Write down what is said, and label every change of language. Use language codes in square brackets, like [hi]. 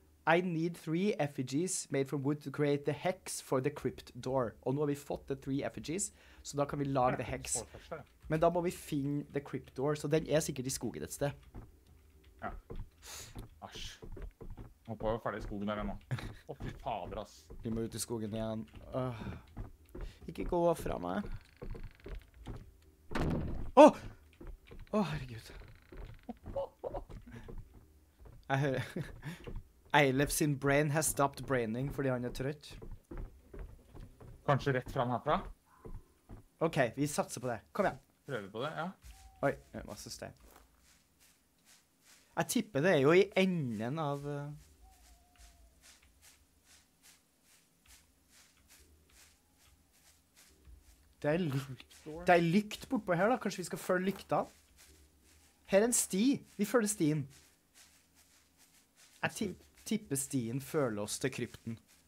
[en] I need 3 effigies made from wood to create the hex for the crypt door. [no] Og nå har vi fått [en] the 3 effigies, [no] så da kan vi lage [en] the hex. [no] Men da må vi finne [en] the crypt door, [no] så den er sikkert i skogen et sted. Ja. Asj. Håper jeg er ferdig i skogen der ennå. Å, fy fader, ass. Vi må ut i skogen igjen. Ikke gå fra meg. Åh! Åh, herregud. Jeg hører... Eilef sin [en] brain has stopped braining [no] fordi han er trøtt. Kanskje rett frem herfra? Ok, vi satser på det. Kom igjen. Prøver på det, ja. Oi, det er masse stein. Jeg tipper det er jo i enden av... det er lykt bort på her da. Kanskje vi skal følge lykta? Her er en sti. Vi følger stien. Jeg tipper stien følger oss til krypten.